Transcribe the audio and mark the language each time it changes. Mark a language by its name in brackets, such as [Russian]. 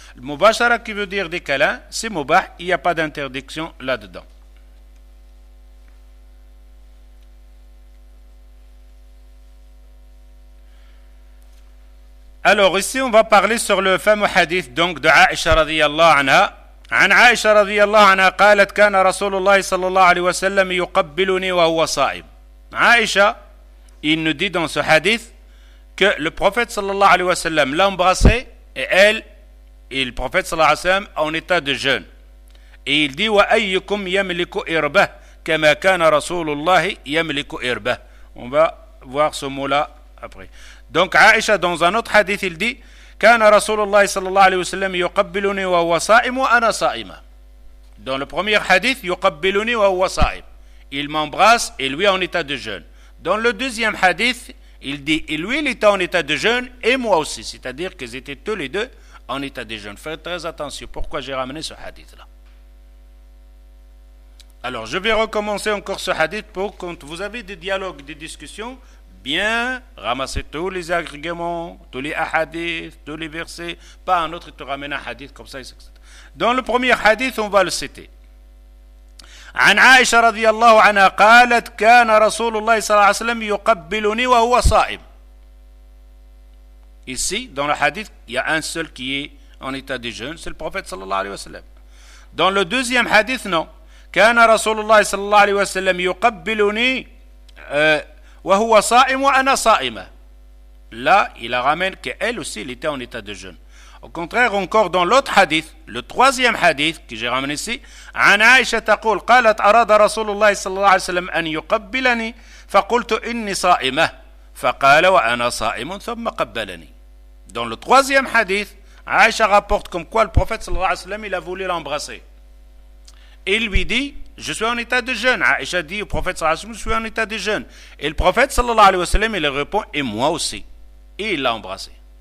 [French] Le Mubashara qui veut dire des câlins, c'est Mubah, il n'y a pas d'interdiction là-dedans. Alors ici on va parler sur le fameux hadith donc de Aïcha radiyallahu anha. [Arabic] عن عائشة رضي الله عنها قالت كان رسول الله صلى الله عليه وسلم يقبلني وهو صائم. [French] عائشة il nous dit dans ce hadith que le prophète صلى الله عليه وسلم l'a embrassé et elle et le prophète صلى الله عليه وسلم en état de jeûne. Et il dit [Arabic] وأيكم يملك إربه كما كان رسول الله يملك إربه. [French] On va voir ce mot là après. Donc Aïcha dans un autre hadith il dit [Arabic] كان رسول الله صلى الله عليه وسلم يقبلني وهو صائم وأنا صائمة. [French] Dans le premier hadith [Arabic] يقبلني وهو صائم. [French] Il m'embrasse et lui en état de jeûne. Dans le deuxième hadith il dit et lui il était en état de jeûne et moi aussi. C'est-à-dire qu'ils étaient tous les deux en état de jeûne. Faites très attention. Pourquoi j'ai ramené ce hadith là? Alors je vais recommencer encore ce hadith pour quand vous avez des dialogues, des discussions. Bien, ramassez tous les agréments, tous les hadiths, tous les versets, pas un autre, il te ramène un hadith comme ça, etc. Dans le premier hadith, on va le citer. [Arabic] عن عائشة رضي الله عنها قالت كان رسول الله صلى الله عليه وسلم يقبلني وهو صائم. [French] Ici, dans le hadith, il y a un seul qui est en état de jeûne, c'est le prophète صلى الله عليه وسلم. Dans le deuxième hadith, non. [Arabic] كان رسول الله صلى الله عليه وسلم يقبلني وهو صائم وأنا صائمة. [French] Là, il ramène qu'elle aussi, elle était en état de jeûne. Au contraire, encore dans l'autre hadith, le troisième hadith que j'ai ramené ici, [Arabic] عن عائشة تقول قالت أراد رسول الله صلى الله عليه وسلم أن يقبلني فقلت إني صائمة فقال وأنا صائم ثم قبلني. [French] Dans le troisième hadith, Aïcha rapporte comme quoi le prophète صلى الله عليه وسلم il a voulu l'embrasser. Il lui dit je suis en état de jeûne. Aïcha dit au prophète sallallahu alayhi wa sallam, je suis en état de jeûne. Et le prophète sallallahu alayhi wa sallam, il répond, et moi aussi. Et il l'a embrassé.